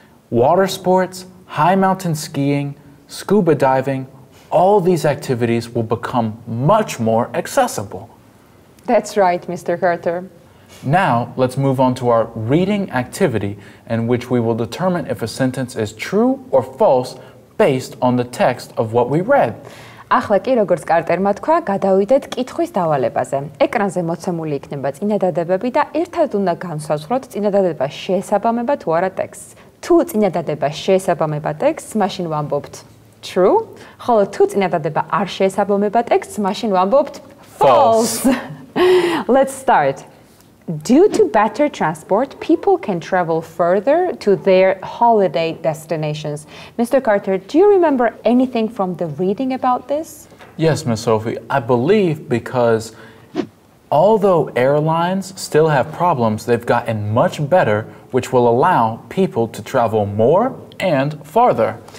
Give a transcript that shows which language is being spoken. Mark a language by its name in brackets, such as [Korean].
[English] Water sports, high mountain skiing, scuba diving, all these activities will become much more accessible. That's right, Mr. Carter. Now, let's move on to our reading activity in which we will determine if a sentence is true or false based on the text of what we read. [Georgian] ახლა კი, როგორც კარტერმა თქვა, გადავიდეთ კითხვის დავალებაზე. ეკრანზე მოცემული იქნება წინადადებები და ერთად უნდა განსაზღვროთ წინადადება შეესაბამება თუ არა ტექსტს. თუ წინადადება შეესაბამება ტექსტს, მაშინ ვამბობთ true, ხოლო თუ წინადადება არ შეესაბამება ტექსტს, მაშინ ვამბობთ false. [English] Let's start. Due to better transport, people can travel further to their holiday destinations. Mr. Carter, do you remember anything from the reading about this? Yes, Ms. Sophie. I believe because although airlines still have problems, they've gotten much better, which will allow people to travel more and farther.